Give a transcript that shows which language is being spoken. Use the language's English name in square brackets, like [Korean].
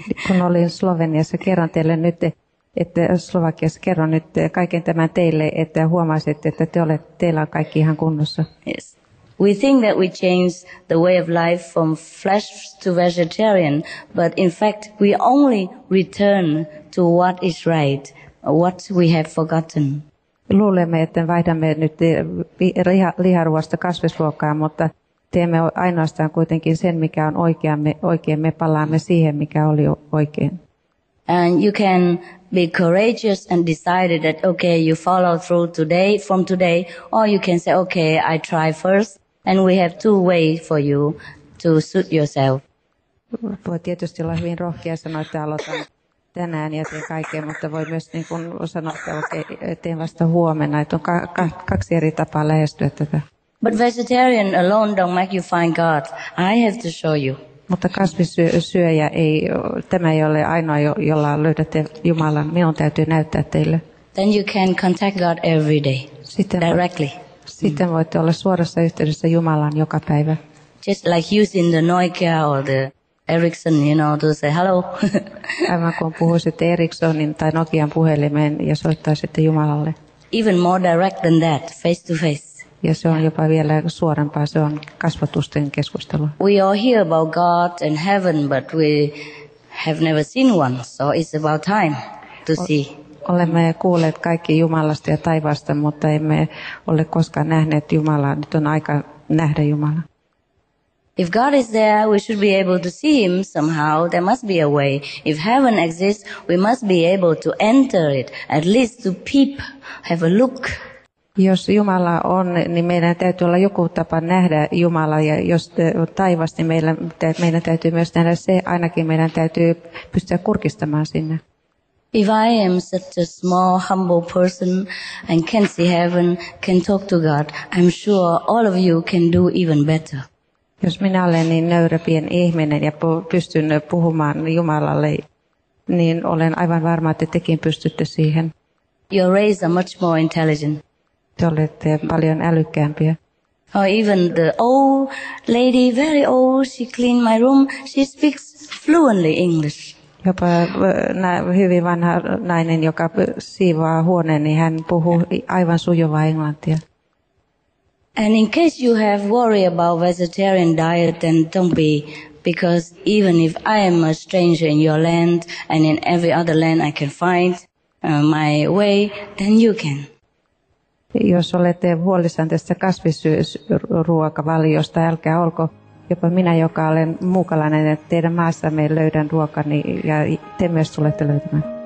[Finnish] Kun olin Sloveniassa, kerron teille nyt, että Slovakiassa kerron nyt kaiken tämän teille, että huomasitte, että teillä on kaikki ihan kunnossa. [English] Yes. We think that we change the way of life from flesh to vegetarian, but in fact we only return to what is right, what we have forgotten. [Finnish] Luulemme, että vaihdamme nyt liharuoasta kasvisruokaan, mutta teemme ainoastaan kuitenkin sen, mikä on oikein. Me palaamme siihen, mikä oli oikein. [English] And you can be courageous and decide that, okay, you follow through today, from today, or you can say, okay, I try first. And we have two ways for you to suit yourself. [Finnish] Voi tietysti olla hyvin rohkea sanoa, että aloitan tänään ja teen kaiken, mutta voi myös niin kuin sanoa, että okay, teen vasta huomenna. Että on kaksi eri tapaa lähestyä tätä. [English] But vegetarian alone don't make you find God. I have to show you. [Finnish] Mutta kasvissyöjä ei, tämä ei ole ainoa, jolla löydätte Jumalan. Minun täytyy näyttää teille. [English] Then you can contact God every day, [Finnish] sitten [English] directly. [Finnish] Sitten voitte olla suorassa yhteydessä Jumalaan joka päivä. [English] Just like using the Nokia or the Ericsson, you know, to say hello. [Finnish] Aivan kuin puhuisitte Ericssonin tai Nokian puhelimeen ja soittaisitte Jumalalle. [English] Even more direct than that, face to face. [Finnish] Ja se on jopa vielä suorempaa, se on kasvotusten keskustelu. [English] We all hear about God and heaven, but we have never seen one, so it's about time to see. [Finnish] Olemme kuulleet kaikki Jumalasta ja taivaasta, mutta emme ole koskaan nähneet Jumalaa. Nyt on aika nähdä Jumala. [English] If God is there, we should be able to see him somehow. There must be a way. If heaven exists, we must be able to enter it, at least to peep, have a look. [Finnish] Jos Jumala on, niin meidän täytyy olla joku tapa nähdä Jumala, ja jos taivas, niin meidän täytyy myös nähdä se, ainakin meidän täytyy pystyä kurkistamaan sinne. [English] If I am such a small, humble person and can see heaven, can talk to God, I'm sure all of you can do even better. [Finnish] Jos minä olen niin nöyrä pien ihminen ja pystyn puhumaan Jumalalle, niin olen aivan varma, että tekin pystytte siihen. [English] Your race are much more intelligent. [Finnish] Te olette paljon älykkäämpiä. [English] Or even the old lady, very old, she cleaned my room, she speaks fluently English. [Finnish] Jopa hyvin vanha nainen, joka siivoaa huoneen, niin hän puhuu aivan sujuvaa englantia. [English] And in case you have worry about vegetarian diet, then don't be. Because even if I am a stranger in your land, and in every other land I can find my way, then you can. [Finnish] Jos olette huolissaan tästä kasvisruokavaliosta, älkää olko. Jopa minä, joka olen muukalainen, että teidän maassamme löydän ruokani ja te myös tulette löytämään.